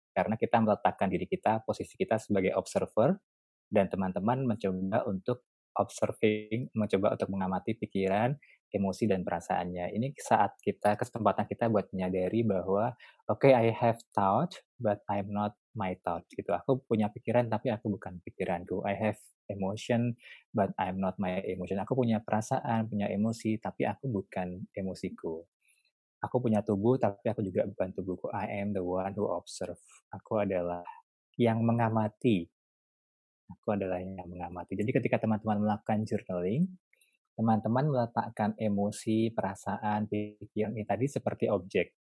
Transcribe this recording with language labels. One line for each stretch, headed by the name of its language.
Indonesian: Karena kita meletakkan diri kita, posisi kita sebagai observer, dan teman-teman mencoba untuk observing, mencoba untuk mengamati pikiran, emosi, dan perasaannya. Ini saat kita, kesempatan kita buat menyadari bahwa,
English: okay, I have thought, but I'm not my thought.
Indonesian: Gitu. Aku punya pikiran, tapi aku bukan pikiranku.
English: I have emotion, but I'm not my emotion.
Indonesian: Aku punya perasaan, punya emosi, tapi aku bukan emosiku. Aku punya tubuh, tapi aku juga bukan tubuhku.
English: I am the one who observe.
Indonesian: Aku adalah yang mengamati. Aku adalah yang mengamati. Jadi ketika teman-teman melakukan journaling, teman-teman meletakkan emosi, perasaan, pikiran ini tadi seperti objek.